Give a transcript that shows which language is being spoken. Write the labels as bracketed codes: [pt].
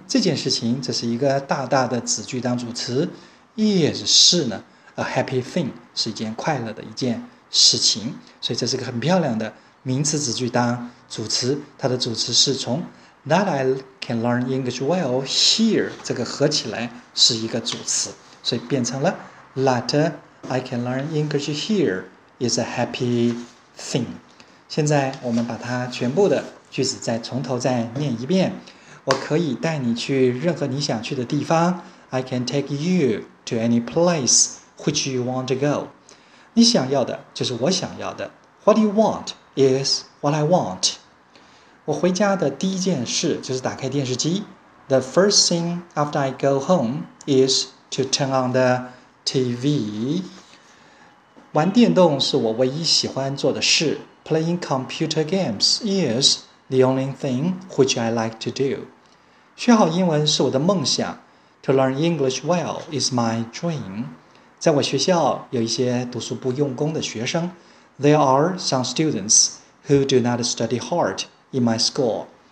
[zh] 这件事情这是一个大大的子句当主词，is 是呢， [en] a happy thing [zh] 是一件快乐的一件事情，所以这是个很漂亮的名词子句当主词，它的主词是从 [en] that I can learn English well here [zh] 这个合起来是一个主词。所以变成了 [en] "that I can learn English here is a happy thing"。 [zh] 现在我们把它全部的句子再从头再念一遍。我可以带你去任何你想去的地方。 [en] I can take you to any place which you want to go。 [zh] 你想要的就是我想要的。 [en] What you want is what I want。 [zh] 我回家的第一件事就是打开电视机。 [en] The first thing after I go home is To turn on the TV。 [zh] 玩电动是我唯一喜欢做的事。 [en] Playing computer games is the the only thing which I like to do. [zh] 学好英文是我的梦想。 [en] To learn English well is my dream. [zh] 在我学校有一些读书不用功的学生。 [en] There are some students who do not study hard in my school.